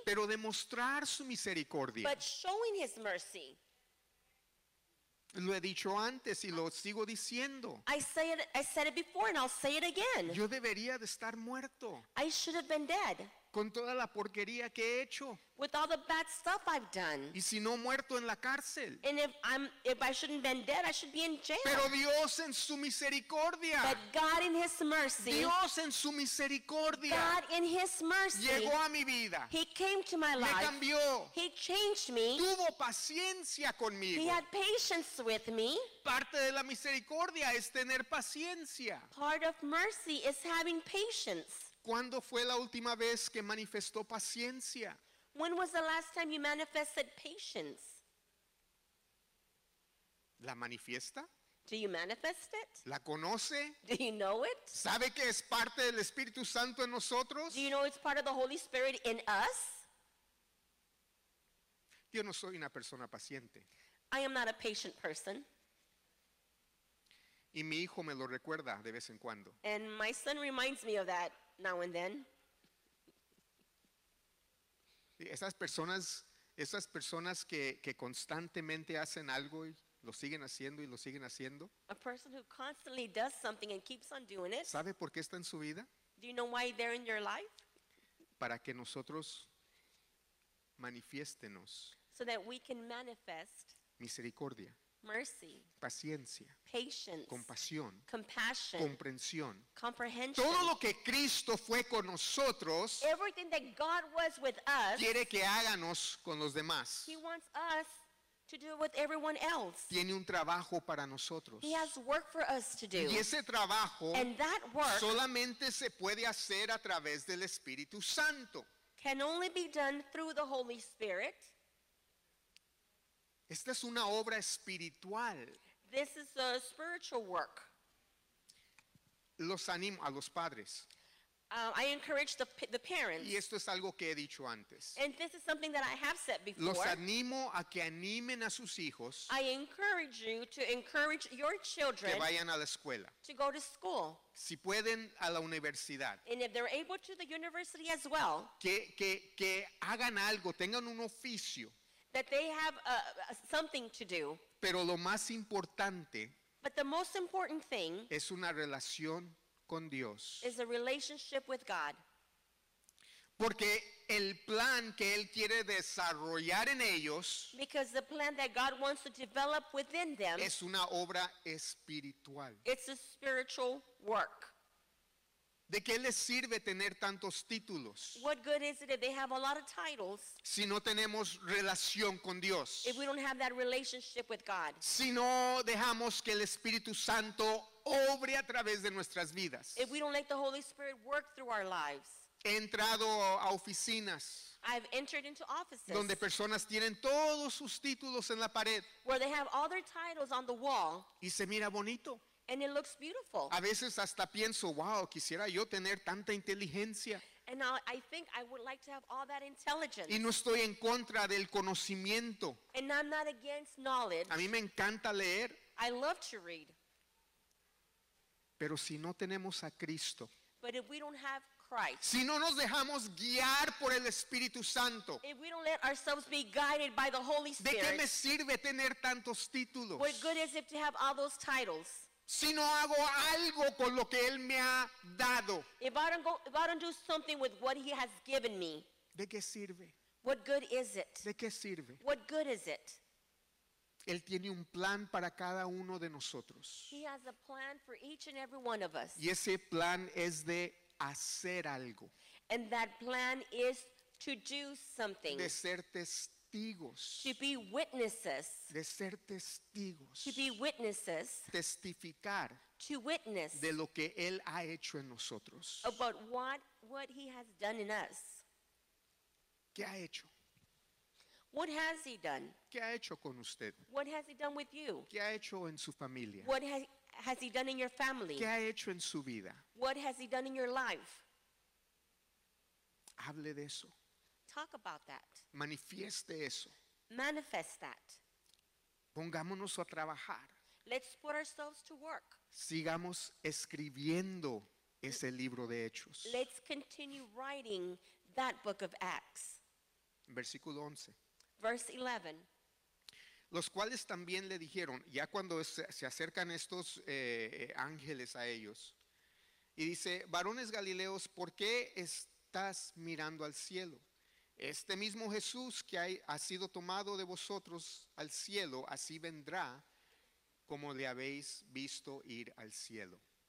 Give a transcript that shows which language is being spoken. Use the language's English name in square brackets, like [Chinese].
[Spanish] pero demostrar su misericordia. [English] But showing His mercy. [Spanish] Lo he dicho antes y lo sigo diciendo. [English] I said it before and I'll say it again. [Spanish] Yo debería de estar muerto. [English] I should have been dead. [Spanish] Con toda la porquería que he hecho. [English] With all the bad stuff I've done. [Spanish] Y si no muerto en la cárcel. [English] And if I shouldn't have been dead, I should be in jail. [Spanish] Pero Dios en su misericordia. [English] But God in His mercy. [Spanish] Dios en su misericordia. [English] God in His mercy. [Spanish] Llegó a mi vida. [English] He came to my life. [Spanish] Me cambió. [English] He changed me. [Spanish] Tuvo paciencia conmigo. [English] He had patience with me. [Spanish] Parte de la misericordia es tener paciencia. [English] Part of mercy is having patience. [Spanish] ¿Cuándo fue la última vez que manifestó paciencia? [English] When was the last time you manifested patience? [Spanish] ¿La manifiesta? [English] Do you manifest it? [Spanish] ¿La conoce? [English] Do you know it? [Spanish] ¿Sabe que es parte del Espíritu Santo en nosotros? [English] Do you know it's part of the Holy Spirit in us? [Spanish] Yo no soy una persona paciente. [English] I am not a patient person. [Spanish] Y mi hijo me lo recuerda de vez en cuando. [English] And my son reminds me of that now and then. [Spanish] Esas personas que constantemente hacen algo y lo siguen haciendo y lo siguen haciendo. [English] A person who constantly does something and keeps on doing it. [Spanish] ¿Sabe por qué está en su vida? [English] Do you know why they're in your life? [Spanish] Para que nosotros manifiéstenos. [English] So that we can manifest. [Spanish] Misericordia. [English] Mercy. [Spanish] Paciencia. [English] Patience. [Spanish] Compasión. [English] Compassion. [Spanish] Comprensión. [English] Comprehension. [Spanish] Todo lo que Cristo fue con nosotros. [English] Everything that God was with us. [Spanish] Quiere que háganos con los demás. [English] He wants us to do with everyone else. [Spanish] Tiene un trabajo para nosotros. [English] He has work for us to do. [Spanish] Y ese trabajo, [English] and that work, [Spanish] solamente se puede hacer a través del Espíritu Santo. [English] Can only be done through the Holy Spirit. [Spanish] Esta es una obra espiritual. [English] This is a spiritual work. [Spanish] Los animo a los padres. [English] I encourage the parents. [Spanish] Y esto es algo que he dicho antes. [English] And this is something that I have said before. [Spanish] Los animo a que animen a sus hijos. [English] I encourage you to encourage your children. [Spanish] Que vayan a la escuela. [English] To go to school. [Spanish] Si pueden, a la universidad. [English] And if they're able to the university as well. [Spanish] Que hagan algo, tengan un oficio. [English] That they have something to do. [Spanish] Pero lo más importante. [English] But the most important thing. [Spanish] Es una relación con Dios. [English] Is a relationship with God. [Spanish] Porque el plan que él quiere desarrollar en ellos. [English] Because the plan that God wants to develop within them. [Spanish] Es una obra espiritual. [English] It's a spiritual work. [Spanish] ¿De qué les sirve tener tantos títulos? [English] What good is it if they have a lot of titles? [Spanish] Si no tenemos relación con Dios. [English] If we don't have that relationship with God. [Spanish] Si no dejamos que el Espíritu Santo obre a través de nuestras vidas. [English] If we don't let the Holy Spirit work through our lives. [Spanish] He entrado a oficinas. [English] I've entered into offices. [Spanish] Donde personas tienen todos sus títulos en la pared. [English] Where they have all their titles on the wall. [Spanish] Y se mira bonito. [English] And it looks beautiful. [Spanish] A veces hasta pienso, wow, quisiera yo tener tanta inteligencia. [English] And now I think I would like to have all that intelligence. [Spanish] Y no estoy en contra del conocimiento. [English] And I'm not against knowledge. [Spanish] A mí me encanta leer. [English] I love to read. [Spanish] Pero si no tenemos a Cristo. [English] But if we don't have Christ. [Spanish] Si no nos dejamos guiar por el Espíritu Santo. [English] If we don't let ourselves be guided by the Holy Spirit. [Spanish] ¿De qué me sirve tener tantos títulos? [English] What good is it to have all those titles? [Spanish] Si no hago algo con lo que él me ha dado. [English] If I don't do something with what he has given me. [Spanish] ¿De qué sirve? [English] What good is it? [Spanish] ¿De qué sirve? [English] What good is it? [Spanish] Él tiene un plan para cada uno de nosotros. [English] He has a plan for each and every one of us. [Spanish] Y ese plan es de hacer algo. [English] And that plan is to do something. [Spanish] De ser testigos. [English] To be witnesses. [Spanish] De ser testigos. [English] To be witnesses. [Spanish] Testificar. [English] To witness. [Spanish] De lo que Él ha hecho en nosotros. [English] About what He has done in us. [Spanish] ¿Qué ha hecho? [English] What has he done? [Spanish] ¿Qué ha hecho con usted? [English] What has he done with you? [Spanish] ¿Qué ha hecho en su familia? [English] What has he done in your family? [Spanish] ¿Qué ha hecho en su vida? [English] What has he done in your life? [Spanish] Hable de eso. [English] Talk about that. [Spanish] Manifieste eso. [English] Manifest that. [Spanish] Pongámonos a trabajar. [English] Let's put ourselves to work. [Spanish] Sigamos escribiendo ese libro de Hechos. [English] Let's continue writing that book of Acts. [Spanish] Versículo 11. [English] Verse 11. [Spanish] Los cuales también le dijeron, ya cuando se acercan estos ángeles a ellos, y dice, varones galileos, ¿por qué estás mirando al cielo? Este mismo Jesús que ha sido tomado de vosotros al cielo, así vendrá como le habéis visto ir al cielo.